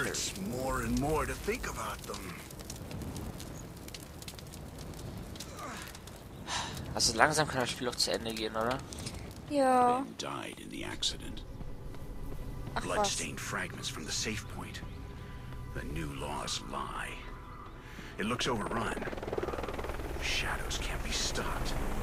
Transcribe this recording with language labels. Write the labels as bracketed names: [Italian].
[English] It hurts more and more to think about them. [German] Also langsam kann das Spiel auch zu Ende gehen, oder? Ja. [English] Ben died in the accident. Ach, bloodstained fragments from the safe point. The new laws lie. It looks overrun. Shadows can't be stopped.